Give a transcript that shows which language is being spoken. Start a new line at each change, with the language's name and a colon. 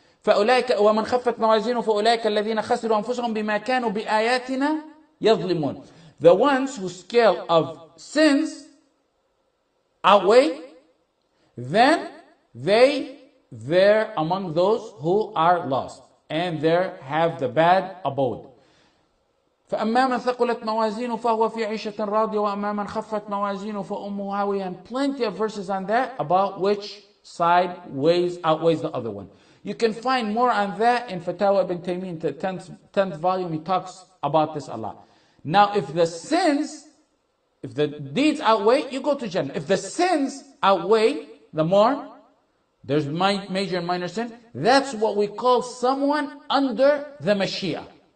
Arabic: فأولئك ومن خفت موازينه فأولئك الذين خسروا أنفسهم بما كانوا بآياتنا يظلمون.
English: The ones whose scale of sins outweigh, then they there among those who are lost and there have the bad abode.
Arabic: فأما من ثقلت موازينه فهو في عيشة راضية وأما من خفت موازينه فأمه هاوية.
English: And plenty of verses on that about which side weighs outweighs the other one. You can find more on that in Fatawa Ibn Taymiyyah, the 10th volume. He talks about this a lot. Now, if the sins, if the deeds outweigh, you go to Jannah. If the sins outweigh the more, there's major and minor sin, that's what we call someone under the Mashiach.